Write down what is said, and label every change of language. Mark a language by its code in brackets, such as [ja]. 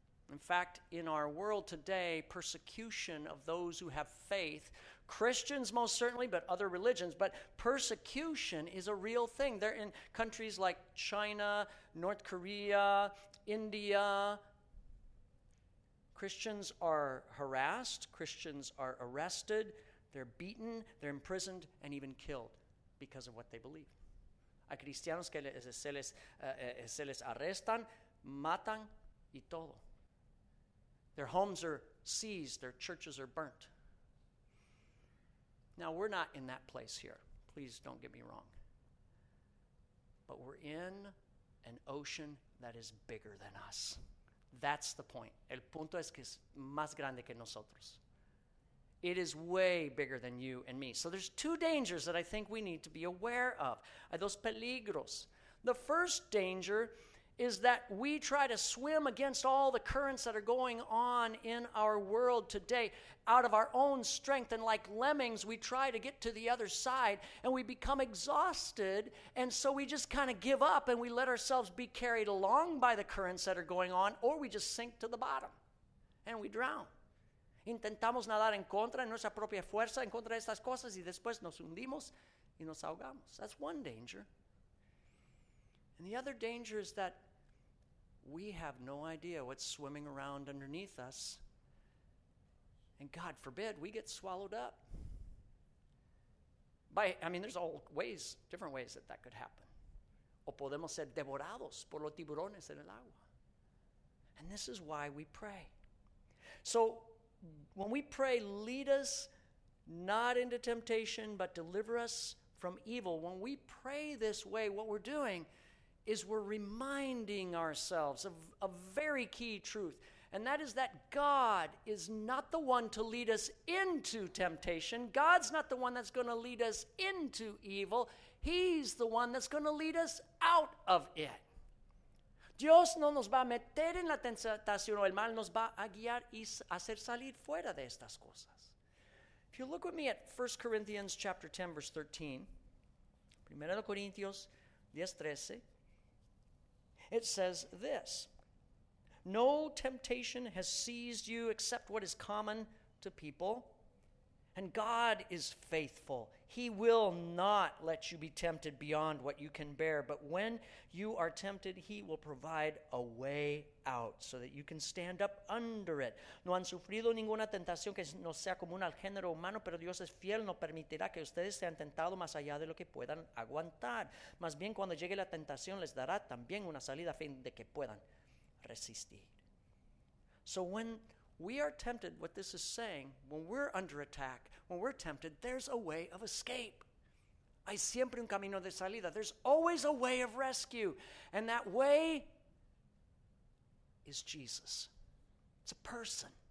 [en] In fact, in our world today, persecution of those who have faith, Christians most certainly, but other religions, but persecution is a real thing. They're in countries like China, North Korea, India. Christians are harassed, Christians are arrested, they're beaten, they're imprisoned, and even killed because of what they believe. [es] Hay cristianos que se les arrestan, matan y todo. [en] Their homes are seized, their churches are burnt. Now, we're not in that place here. Please don't get me wrong. But we're in an ocean that is bigger than us. That's the point. [es] El punto es que es más grande que nosotros. [en] It is way bigger than you and me. So there's two dangers that I think we need to be aware of. Those peligros. The first danger is that we try to swim against all the currents that are going on in our world today out of our own strength. And like lemmings, we try to get to the other side and we become exhausted. And so we just kind of give up and we let ourselves be carried along by the currents that are going on, or we just sink to the bottom and we drown. [es] Intentamos nadar en contra de nuestra propia fuerza, en contra de estas cosas, y después nos hundimos y nos ahogamos. [en] That's one danger. And the other danger is that we have no idea what's swimming around underneath us. And God forbid, we get swallowed up. There's all ways, different ways that could happen. [es] O podemos ser devorados por los tiburones en el agua. [en] And this is why we pray. So when we pray, lead us not into temptation, but deliver us from evil. When we pray this way, what we're doing is we're reminding ourselves of a very key truth, and that is that God is not the one to lead us into temptation. God's not the one that's going to lead us into evil. He's the one that's going to lead us out of it. [es] Dios no nos va a meter en la tentación o el mal, nos va a guiar y hacer salir fuera de estas cosas. [en] If you look with me at 1 Corinthians chapter 10, verse 13, 1 Corinthians 10, 13, it says this: no temptation has seized you except what is common to people. And God is faithful. He will not let you be tempted beyond what you can bear. But when you are tempted, he will provide a way out so that you can stand up under it. [es] No han sufrido ninguna tentación que no sea común al género humano, pero Dios es fiel, no permitirá que ustedes sean tentados más allá de lo que puedan aguantar. Más bien, cuando llegue la tentación, les dará también una salida a fin de que puedan resistir. [en] So when we are tempted, what this is saying, when we're under attack, when we're tempted, there's a way of escape. [es] Hay siempre un camino de salida. [en] There's always a way of rescue. And that way is Jesus. It's a person.